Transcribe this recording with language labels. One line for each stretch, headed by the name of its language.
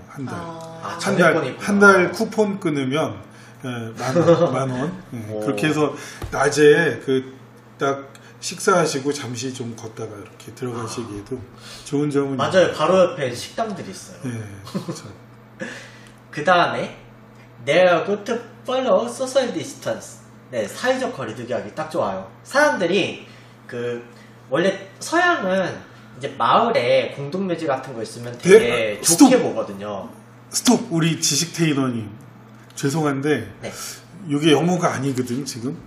Korean: 한 달. 한 달 쿠폰 끊으면 만 원. 네. 그렇게 해서 낮에 그 딱 식사하시고 잠시 좀 걷다가 이렇게 들어가시기에도 좋은 점은 맞아요. 있어요. 바로 옆에 식당들이 있어요. 네. 그 다음에
English: They're good to follow social distance.
Korean: 네, 사회적 거리두기 하기 딱 좋아요. 사람들이 그 원래 서양은 이제 마을에 공동묘지 같은 거 있으면 되게 네? 좋게 스톱. 보거든요. 스톱! 우리 지식 테이너님 죄송한데 네. 이게 영어가 아니거든 지금.